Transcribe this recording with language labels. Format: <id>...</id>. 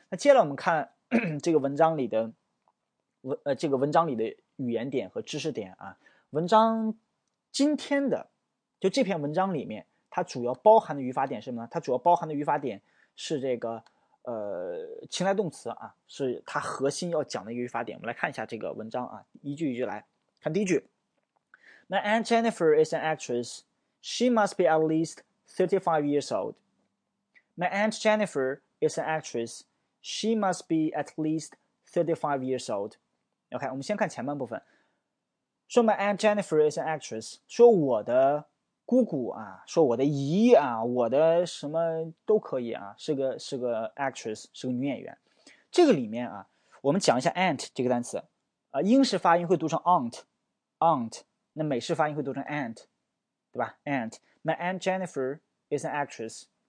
<zh>那接下来我们看这个文章里的这个文章里的语言点和知识点啊。文章今天的就这篇文章里面，它主要包含的语法点是什么呢？它主要包含的语法点是这个。情态动词啊，是它核心要讲的一个语法点。我们来看一下这个文章啊，一句一句来看。第一句</zh> <en>，My Aunt Jennifer is an actress. She must be at least 35 years old. My Aunt Jennifer is an actress. She must be at least 35 years old.</en> <zh>OK， 我们先看前半部分。</zh> <en>说 My Aunt Jennifer is an actress.</en> <zh>说我的姑姑啊，说我的姨啊，我的什么都可以啊，是个 actress， 是个女演员。这个里面啊，我们讲一下 aunt 这个单词，英式发音会读成 aunt， 那美式发音会读成 aunt， 对吧 ？aunt，</zh> <en>my aunt Jennifer is an actress。</en>